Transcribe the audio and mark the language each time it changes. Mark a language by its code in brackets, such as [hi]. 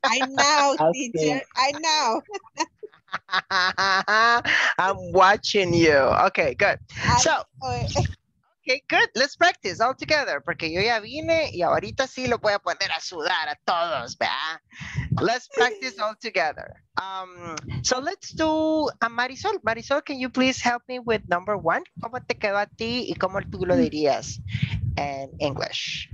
[en] I know, teacher. I know. I'm watching you. Okay, good. So, okay, good. Let's practice all together. [es] Porque yo ya vine y ahorita sí lo voy a poner a sudar a todos, ¿verdad? [en] Let's practice all together. So, let's do a Marisol. Marisol, can you please help me with number one? [es] ¿Cómo te quedó a ti y cómo tú lo dirías en English?